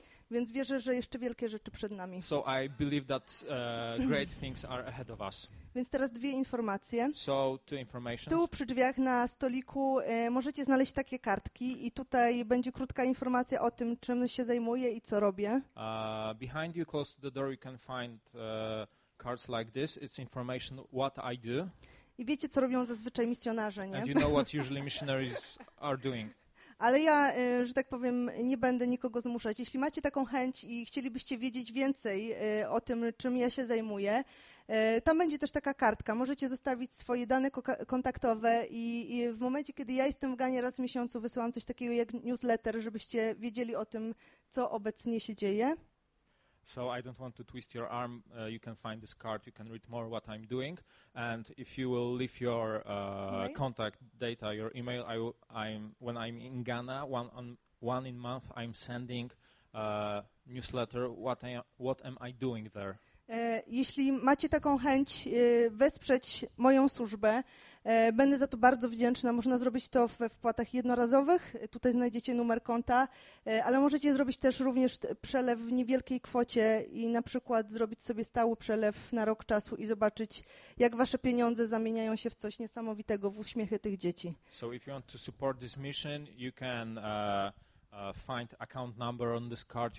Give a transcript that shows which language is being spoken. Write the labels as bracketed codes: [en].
[pl] Więc wierzę, że jeszcze wielkie rzeczy przed nami. [en] So I believe that great things are ahead of us. [pl] Więc teraz dwie informacje. [en] So two informations. [pl] Z tyłu przy drzwiach na stoliku możecie znaleźć takie kartki i tutaj będzie krótka informacja o tym, czym się zajmuję i co robię. [en] Behind you, close to the door, you can find cards like this. It's information what I do. [pl] I wiecie, co robią zazwyczaj misjonarze, nie? [en] And you know what usually missionaries are doing. [pl] Ale ja, że tak powiem, nie będę nikogo zmuszać. Jeśli macie taką chęć i chcielibyście wiedzieć więcej o tym, czym ja się zajmuję, tam będzie też taka kartka. Możecie zostawić swoje dane kontaktowe i w momencie, kiedy ja jestem w Ganie raz w miesiącu, wysyłam coś takiego jak newsletter, żebyście wiedzieli o tym, co obecnie się dzieje. [en] So I don't want to twist your arm. You can find this card. You can read more what I'm doing. And if you will leave your contact data, your email, when I'm in Ghana, one in month, I'm sending a newsletter. What am I doing there? [pl] Jeśli macie taką chęć wesprzeć moją służbę, będę za to bardzo wdzięczna. Można zrobić to we wpłatach jednorazowych. Tutaj znajdziecie numer konta, ale możecie zrobić też również przelew w niewielkiej kwocie i na przykład zrobić sobie stały przelew na rok czasu i zobaczyć, jak wasze pieniądze zamieniają się w coś niesamowitego, w uśmiechy tych dzieci. [en] So if you want to support this mission, you can find account number on this card.